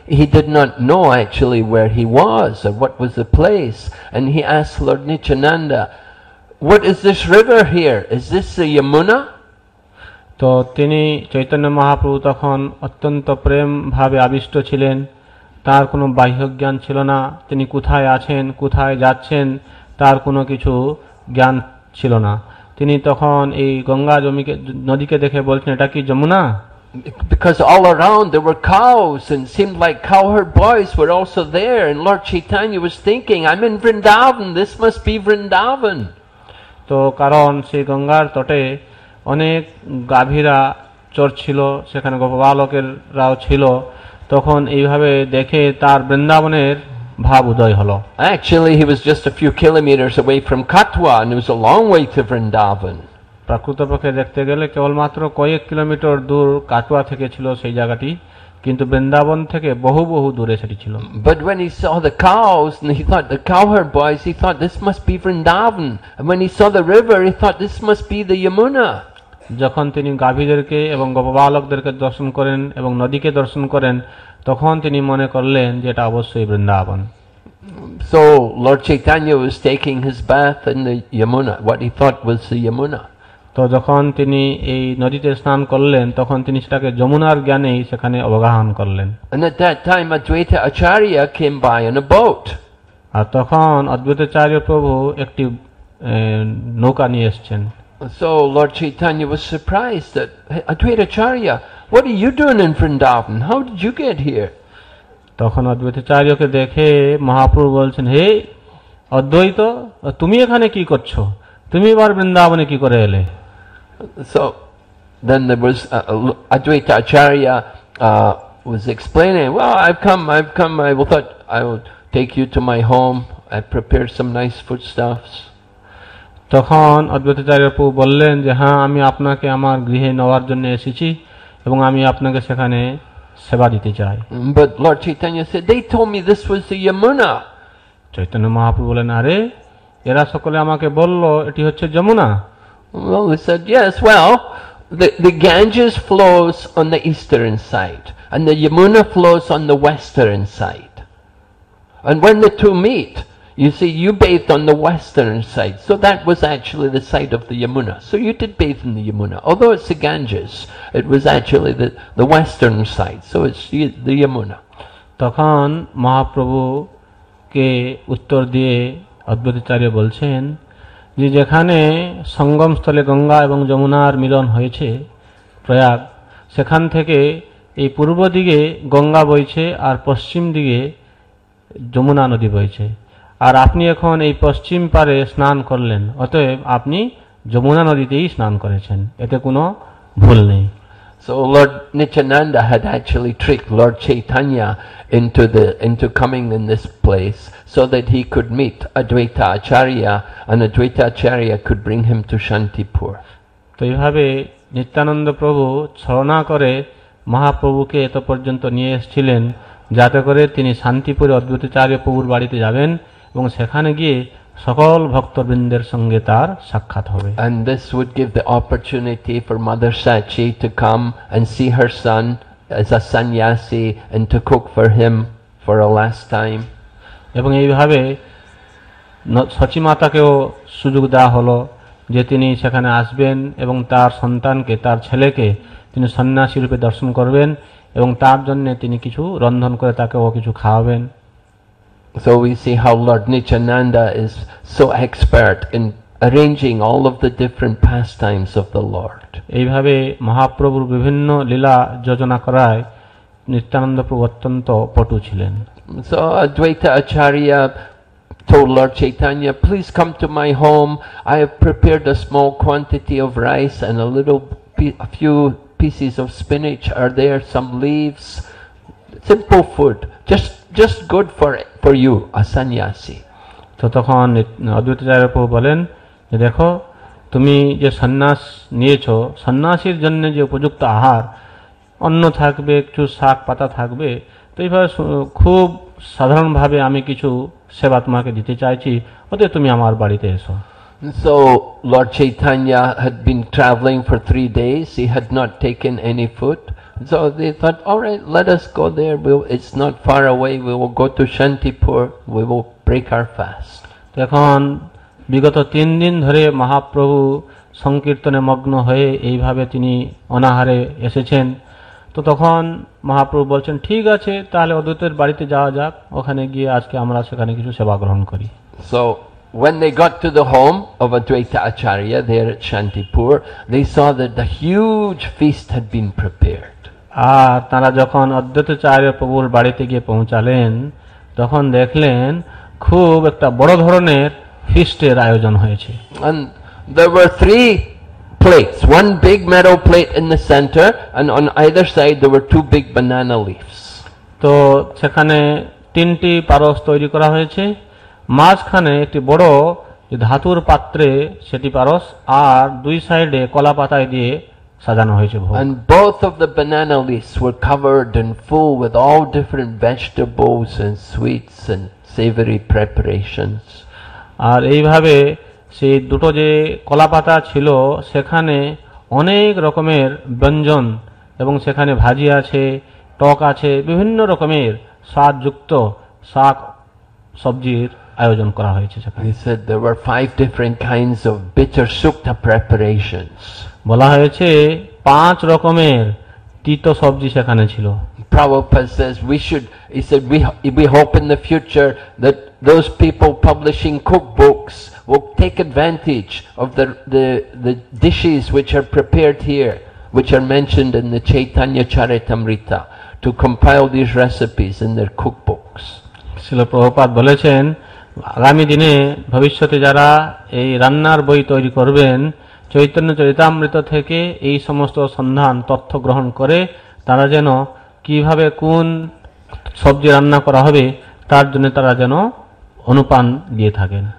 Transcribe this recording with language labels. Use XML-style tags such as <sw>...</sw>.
<en>He did not know actually where he was or what was the place. And he asked Lord Nityananda, "What is this river here? Is this the Yamuna?"</en> <bn>তো তিনি চৈতন্য মহাপ্রভু তখন অত্যন্ত প্রেমভাবে আবিষ্ট ছিলেন, তার কোনো বাহ্য জ্ঞান ছিল না, তিনি কোথায় আছেন কোথায় যাচ্ছেন তার কোনো কিছু জ্ঞান ছিল না. তিনি তখন এই গঙ্গা জমিকে নদীকে দেখে বলছেন, এটা কি Jamuna?</bn> <en>Because all around there were cows and seemed like cowherd boys were also there, and Lord Chaitanya was thinking, I'm in Vrindavan, this must be Vrindavan.</en> <bn>তো কারণ সেই গঙ্গার তটে অনেক গাভীরা চড়ছিল, সেখানে গোপবালকেরাও ছিল, তখন এইভাবে দেখে তার বৃন্দাবনের ভাব উদয় হলো.</bn> <en>Actually he was just a few kilometers away from Katwa and it was a long way to Vrindavan.</en> <bn>প্রকৃতপক্ষে দেখতে গেলে কেবলমাত্র কয়েক কিলোমিটার দূর কাটোয়া থেকে ছিল সেই জায়গাটি, কিন্তু বৃন্দাবন থেকে বহু বহু দূরে সেটি ছিল.</bn> <en>But when he saw the cows and he thought the cowherd boys, he thought this must be Vrindavan. And when he saw the river, he thought this must be the Yamuna.</en> <bn>যখন তিনি গাভীদেরকে এবং গোপবালকদেরকে দর্শন করেন এবং নদীকে দর্শন করেন তখন তিনি মনে করলেন যে এটা অবশ্যই Vrindavan.</bn> <en>So Lord Chaitanya was taking his bath in the Yamuna, what he thought was the Yamuna.</en> <bn>তো যখন তিনি এই নদীতে স্নান করলেন তখন তিনি সেটাকে যমুনার জ্ঞানেই সেখানে অবগাহন করলেন.</bn> <en>And at that time Advaita Acharya came by in a boat.</en> <bn>আর তখন অদ্বৈতাচার্য প্রভু একটি নৌকা নিয়ে এসেছেন.</bn> <en>So Lord Chaitanya was surprised that, Advaita Acharya, what are you doing in Vrindavan? How did you get here?</en> <bn>তখন অদ্বৈতাচার্যকে দেখে মহাপ্রভু বলছেন, হে অদ্বৈত, তুমি এখানে কি করছো? তুমি এবার বৃন্দাবনে কি করে এলে?</bn> <en>So then there was Advaita Acharya was explaining, well, I've come, I thought I would take you to my home, I prepared some nice foodstuffs.</en> <bn>তখন অদ্বৈতাচার্য প্রভু বললেন যে, হ্যাঁ, আমি আপনাকে আমার গৃহে নেওয়ার জন্য এসেছি এবং আমি আপনাকে সেখানে সেবা দিতে চাই।</bn> <en>But Lord Chaitanya said, they told me this was the Yamuna.</en> <bn>Chaitanya Mahaprabhu বলেন, আরে, এরা সকলে আমাকে বলল এটি হচ্ছে Jamuna.</bn> <en>Well, they said, yes, well, the Ganges flows on the eastern side and the Yamuna flows on the western side. And when the two meet, you see, you bathed on the western side, so that was actually the side of the Yamuna. So you did bathe in the Yamuna. Although it's the Ganges, it was actually the western side, so it's the Yamuna.</en> <bn>তখন মহাপ্রভু কে উত্তর দিয়ে অদ্বৈতাচার্য বলছেন যে, যেখানে সঙ্গমস্থলে গঙ্গা এবং যমুনার মিলন হয়েছে প্রয়াগ, সেখান থেকে এই পূর্ব দিকে গঙ্গা বইছে আর পশ্চিম দিকে যমুনা নদী বইছে, আর আপনি এখন এই পশ্চিম পারে স্নান করলেন, অতএব আপনি যমুনা নদীতেই স্নান করেছেন, এতে কোনো ভুল নেই।</bn> <en>So Lord Nityananda had actually tricked Lord Chaitanya into coming in this place so that he could meet Advaita Acharya and Advaita Acharya could bring him to Shantipur.</en> <bn>তো এইভাবে নিত্যানন্দ প্রভু ছলনা করে মহাপ্রভুকে এত পর্যন্ত নিয়ে এসেছিলেন যাতে করে তিনি শান্তিপুরে অদ্বৈতাচার্য প্রভুর বাড়িতে যাবেন এবং সেখানে গিয়ে সকল ভক্তবৃন্দের সঙ্গে তার সাক্ষাৎ হবে।</bn> <en>And this would give the opportunity for Mother Sachi to come and see her son as a sannyasi and to cook for him for a last time.</en> <bn>এবং এইভাবে সচি মাতাকেও সুযোগ দেওয়া হলো যে তিনি সেখানে আসবেন এবং তার সন্তানকে, তার ছেলেকে তিনি সন্ন্যাসী রূপে দর্শন করবেন এবং তার জন্য তিনি কিছু রন্ধন করে তাকেও কিছু খাওয়াবেন।</bn> <en>So we see how Lord Nityananda is so expert in arranging all of the different pastimes of the Lord.</en> <bn>এইভাবে মহাপ্রভুর বিভিন্ন লীলা যোজনা করায় নিত্যানন্দ প্রভু অত্যন্ত পটু ছিলেন।</bn> <en>So Advaita Acharya told Lord Chaitanya, please come to my home. I have prepared a small quantity of rice and a few pieces of spinach are there, some leaves. Simple food, just good for you, a sannyasi.</en> <bn>তো তখন অদ্বৈতাচার্য প্রভু বলেন যে, দেখো, তুমি যে সন্ন্যাস নিয়েছো, সন্ন্যাসীর জন্য যে উপযুক্ত আহার, অন্ন থাকবে, কিছু শাক পাতা থাকবে, তো এইভাবে খুব সাধারণভাবে আমি কিছু সেবা তোমাকে দিতে চাইছি, অতএব তুমি আমার বাড়িতে এসো।</bn> <en>So Lord Chaitanya had been traveling for 3 days. He had not taken any food. So they thought, all right, let us go there. It's not far away. We will go to Shantipur. We will break our fast.</en> <bn>তখন বিগত 3 দিন ধরে মহাপ্রভু সংকীর্তনে মগ্ন হয়ে এইভাবে তিনি অনাহারে এসেছেন। তো তখন মহাপ্রভু বলছেন, ঠিক আছে, তাহলে অদ্বৈতের বাড়িতে যাওয়া যাক, ওখানে গিয়ে আজকে আমরা সেখানে কিছু সেবা গ্রহণ করি।</bn> <en>So when they got to the home of Advaita Acharya there at Shantipur, they saw that the huge feast had been prepared.</en> <bn>আর তারা যখন অদ্বৈত আচার্য প্রভুর বাড়িতে গিয়ে পৌঁছালেন তখন দেখলেন খুব একটা বড় ধরনের ফিস্টের আয়োজন হয়েছে।</bn> <en>And there were 3 plates, one big metal plate in the center and on either side there were 2 big banana leaves.</en> <bn>তো সেখানে 3টি পারস তৈরি করা হয়েছে, মাঝখানে একটি বড় ধাতুর পাত্রে সেটি পারস আর 2 সাইডে কলা পাতায় দিয়ে সাজানো হয়েছে ভোগ।</bn> <en>And both of the banana leaves were covered and full with all different vegetables and sweets and savory preparations.</en> <bn>আর এইভাবে সেই দুটো যে কলা পাতা ছিল সেখানে অনেক রকমের ব্যঞ্জন এবং সেখানে ভাজি আছে, টক আছে, বিভিন্ন রকমের স্বাদযুক্ত শাক সবজির আয়োজন করা হয়েছে সেখানে।</bn> <en>He said there were 5 different kinds of bitter sukta preparations.</en> <bn>বলা হয়েছে 5 রকমের তিতো সবজি সেখানে ছিল।</bn> <en>Prabhupada says he said we hope in the future that those people publishing cookbooks will take advantage of the dishes which are prepared here, which are mentioned in the Chaitanya Charitamrita, to compile these recipes in their cookbooks.</en> <bn>Srila Prabhupada bolechen আগামী দিনে ভবিষ্যতে যারা এই রান্নার বই তৈরি করবেন চৈতন্য চরিতামৃত থেকে এই সমস্ত সন্ধান তথ্য গ্রহণ করে তারা যেন কিভাবে কোন সবজি রান্না করা হবে তার জন্য তারা যেন অনুপান দিয়ে থাকেন.</bn>